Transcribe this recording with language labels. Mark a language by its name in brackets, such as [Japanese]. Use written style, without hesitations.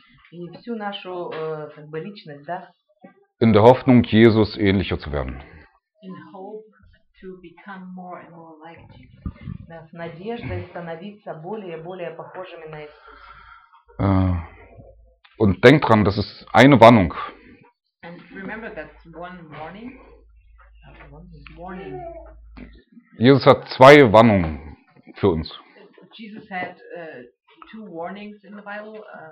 [Russian] И всю нашу как бы личность, да? [German] In der Hoffnung, Jesus ähnlicher zu werden. [English] In hope to become more and more like Jesus. [Russian] С надеждой становиться более и более похожими на Иисуса. [German] Und denk dran, das ist eine Warnung. [English] And remember that one warning. Warning. [German] Jesus hat zwei Warnungen für uns. [English] Jesus had two warnings in the Bible.